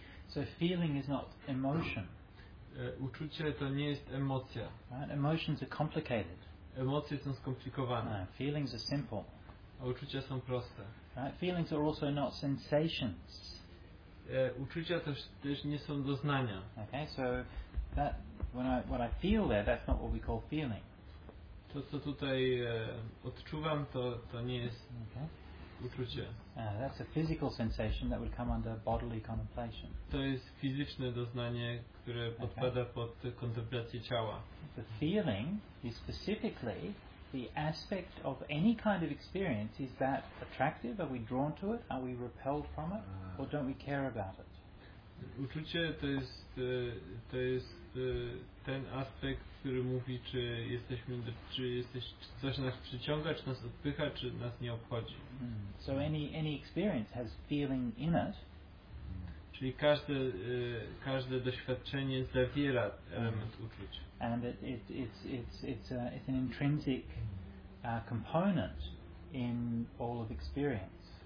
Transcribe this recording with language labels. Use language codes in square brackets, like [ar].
[en] So feeling is not emotion. [pl] Uczucie to nie jest emocja. [en] Right? Emotions are complicated. [pl] Emocje są skomplikowane. [en] No, feelings are simple. [pl] Uczucia są proste. [en] Right? Feelings are also not sensations. [pl] Uczucia też nie są doznania. [en] Okay, so that what I feel there, that's not what we call feeling. [pl] To co tutaj odczuwam, to nie jest [en] okay. [pl] Uczucie. [en] That's a physical sensation that would come under bodily contemplation. [pl] To jest fizyczne doznanie, które podpada okay. pod kontemplację ciała. [en] The feeling is specifically the aspect of any kind of experience. Is that attractive? Are we drawn to it? Are we repelled from it? Or don't we care about it? [pl] Uczucie to jest ten aspekt, który mówi, czy coś nas przyciąga, czy nas odpycha, czy nas nie obchodzi. [en] So any experience has feeling in it. [pl] Czyli każde doświadczenie zawiera element uczuć. [en] And it's an intrinsic component in all of experience.